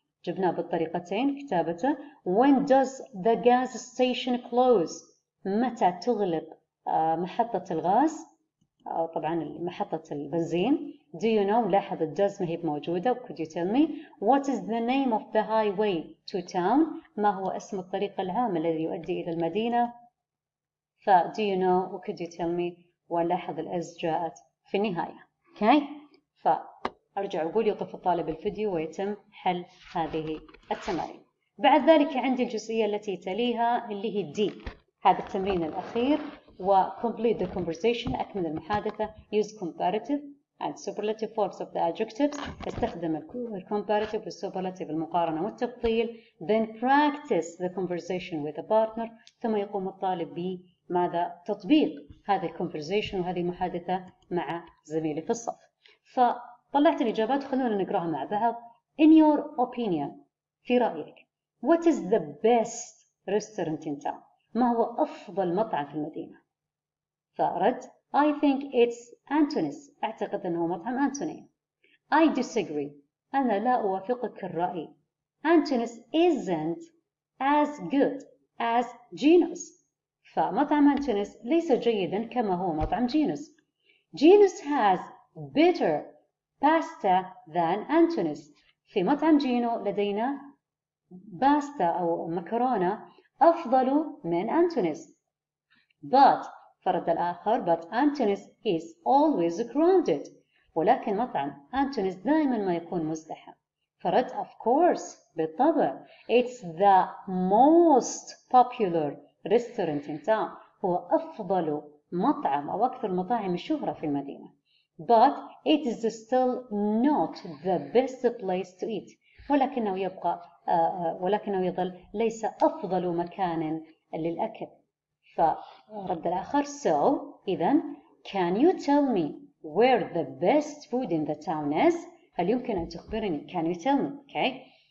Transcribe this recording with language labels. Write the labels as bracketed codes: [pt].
[ar] جبنا بالطريقتين كتابته. [en] When does the gas station close, [ar] متى تغلق محطة الغاز أو طبعا محطة البنزين. [en] Do you know, [ar] لاحظ الجز ما هي موجودة. [en] Could you tell me. What is the name of the highway to town, [ar] ما هو اسم الطريق العام الذي يؤدي إلى المدينة. [en] ف do you know, could you tell me. [ar] ولاحظ الأز جاءت في النهاية okay. فأرجع أقول يقف الطالب الفيديو ويتم حل هذه التمارين. بعد ذلك عندي الجزئية التي تليها اللي هي D, هذا التمرين الأخير. [en] وcomplete the conversation, [ar] أكمل المحادثة. [en] Use comparative and superlative forms of the adjectives, استخدم الcomparative والsuperlative [ar] المقارنة والتفضيل. [en] Then practice the conversation with a partner, [ar] ثم يقوم الطالب ب ماذا تطبيق هذه الكونفرزيشن وهذه المحادثة مع زميلي في الصف. فطلعت الإجابات وخلونا نقرأها مع بعض. [en] In your opinion, [ar] في رأيك, [en] what is the best restaurant in town? [ar] ما هو أفضل مطعم في المدينة؟ فأرد, [en] I think it's Antonis. [ar] أعتقد أنه مطعم أنتوني. [en] I disagree. [ar] أنا لا أوافقك الرأي. [en] Antonis isn't as good as Gino's. [ar] فمطعم أنتونيس ليس جيدا كما هو مطعم جينوس. [en] Gino's has better pasta than Antonis. [ar] في مطعم جينو لدينا باستا أو مكرونة أفضل من أنتونيس. [en] But [ar] فرد الآخر, [en] but Antonis is always crowded. [ar] ولكن مطعم أنتونيس دائما ما يكون مزدحم. فرد, [en] of course, [ar] بالطبع, [en] it's the most popular restaurant in town. [ar] هو أفضل مطعم أو أكثر مطاعم الشهرة في المدينة. [en] But it is still not the best place to eat. [ar] ولكنه يبقى ولكنه يظل ليس أفضل مكان للأكل. فرد الآخر, [en] so [ar] إذن, [en] can you tell me where the best food in the town is? [ar] هل يمكن أن تخبرني؟ [en] Can you tell me? Okay.